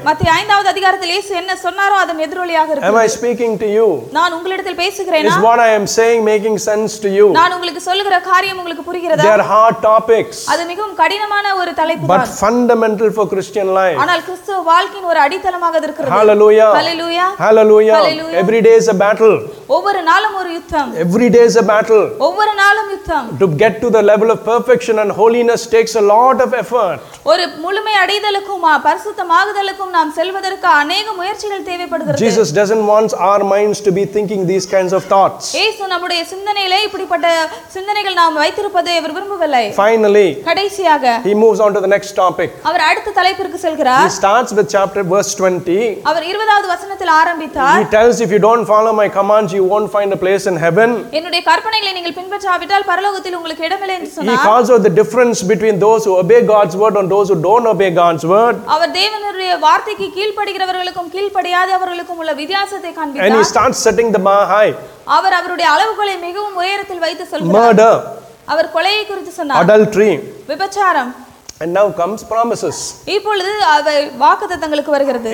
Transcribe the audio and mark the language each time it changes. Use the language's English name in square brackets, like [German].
[Tamil] மத்தேயு 5வது அதிகாரத்தில் இயேசு என்ன சொன்னாரோ அதன் எதிரொலியாக இருக்கு. [English] Am I speaking to you? [Tamil] நான் உங்களிடத்தில் பேசுகிறேனா? [English] Is what I am saying making sense to you? [Tamil] நான் உங்களுக்கு சொல்லுகிற காரியம் உங்களுக்கு புரிகிறதா? [English] They are hard topics. [Tamil] அது மிகவும் கடினமான ஒரு தலைப்பு. [English] But fundamental for Christian life. [Tamil] ஆனால் கிறிஸ்தவ வாழ்க்கையின் ஒரு அடித்தளமாக இருக்கிறது. [English] Hallelujah. Every day is a battle. [Tamil] ஒவ்வொரு நாளும் ஒரு யுத்தம். [English] Every day is a battle. [Tamil] ஒவ்வொரு நாளும் யுத்தம். [English] To get to the level of perfection and holiness takes a lot of effort. [Tamil] ஒரு முழுமை அடைதலுக்கும் பரிசுத்தமாகுதலுக்கும் நாம் செல்வதற்கு அநேக முயற்சிகள் தேவைப்படுகிறது. [English] Jesus doesn't want our minds to be thinking these kinds of thoughts. [Tamil] இயேசு நம்முடைய சிந்தனையிலே இப்படிப்பட்ட சிந்தனைகள் நாம் வைத்திருப்பதை அவர் விரும்பவில்லை. [English] Finally, [Tamil] கடைசியாக, [English] he moves on to the next topic. [Tamil] அவர் அடுத்த தலைப்புக்கு செல்கிறார். [English] He starts with chapter verse 20. [Tamil] அவர் 20வது வசனத்தில் ஆரம்பித்தார். [English] He tells, if you don't follow my commands, you won't find a place in heaven. [Tamil] என்னுடைய கற்பனைகளை நீங்கள் பின்பற்றாவிட்டால் பரலோகத்தில் உங்களுக்கு இடமில்லை என்று சொன்னார். [English] He calls out the difference between those who obey God's word and those who don't obey God's word. [Tamil] அவர் தேவனுடைய வார்த்தைக்கு கீழ்ப்படிகிறவர்களுக்கும் கீழ்ப்படியாதவர்களுக்கும் உள்ள வித்தியாசத்தை காண்பித்தார். [English] And he starts setting the bar high. [Tamil] அவர் அவருடைய அளவுகளை மிகவும் உயரத்தில் வைத்து சொல்கிறார். [English] Murder. [Tamil] அவர் கொலையை குறித்து சொன்னார். [English] Adultery. [Tamil] விபச்சாரம். [English] And now comes promises. [Tamil] இப்பொழுது அவை வாக்குத்தத்தங்களுக்கு வருகிறது.